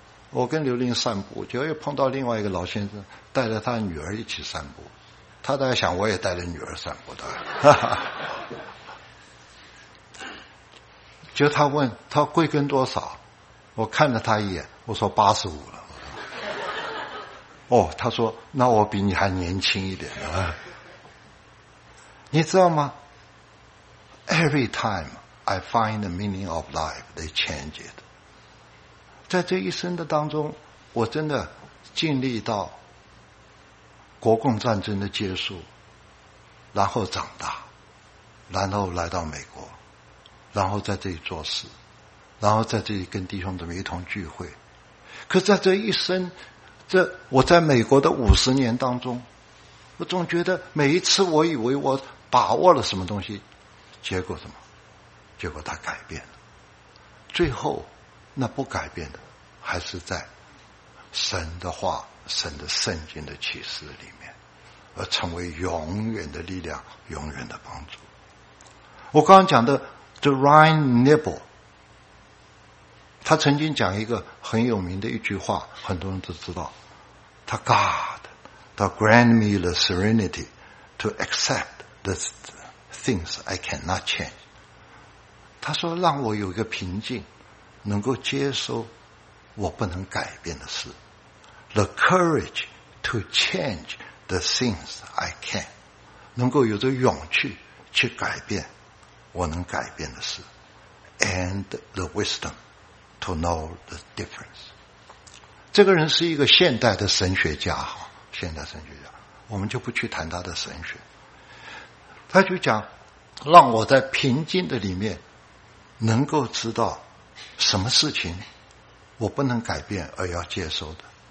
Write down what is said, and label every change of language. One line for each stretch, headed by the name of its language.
Chinese: 我跟刘琳散步，就又碰到另外一个老先生带着他女儿一起散步，他大概想我也带着女儿散步的，就他问他贵庚多少，我看了他一眼，我说85了。哦，他说那我比你还年轻一点啊。你知道吗？
English: Every time I find the meaning of life, they change it。
Chinese: 在这一生的当中，我真的经历到国共战争的结束，然后长大，然后来到美国，然后在这里做事，然后在这里跟弟兄们一同聚会。可在这一生，这我在美国的50年当中，我总觉得每一次我以为我把握了什么东西，结果什么？结果它改变了。最后那不改变的还是在神的话，神的圣经的启示里面，而成为永远的力量，永远的帮助。我刚刚讲的 The Ryan Nibble，他曾经讲一个很有名的一句话，很多人都知道，
English: to God to grant me the serenity to accept the things I cannot change.
Chinese: 他说让我有一个平静，能够接受我不能改变的事。
English: The courage to change the things I can.
Chinese: 能够有这勇气去改变我能改变的事。
English: And the wisdom to know the difference.
Chinese: 这个人是一个现代的神学家，现代神学家，我们就不去谈他的神学。他就讲，让我在平静的里面能够知道什么事情我不能改变而要接受的。